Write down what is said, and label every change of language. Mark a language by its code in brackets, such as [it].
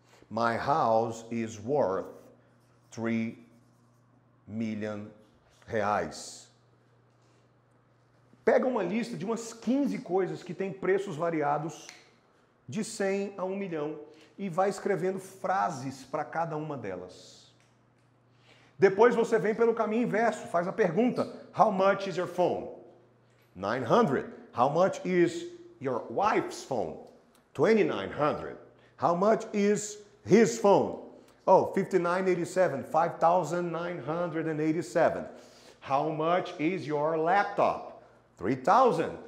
[en] My house is worth 3 million reais. [pt] Pega uma lista de umas 15 coisas que têm preços variados de 100 a 1 milhão e vai escrevendo frases para cada uma delas. Depois você vem pelo caminho inverso, faz a pergunta: [en] How much is your phone? 900. How much is your wife's phone? 2900. How much is his phone? Oh, 5987. 5,987. How much is your laptop? 3,000.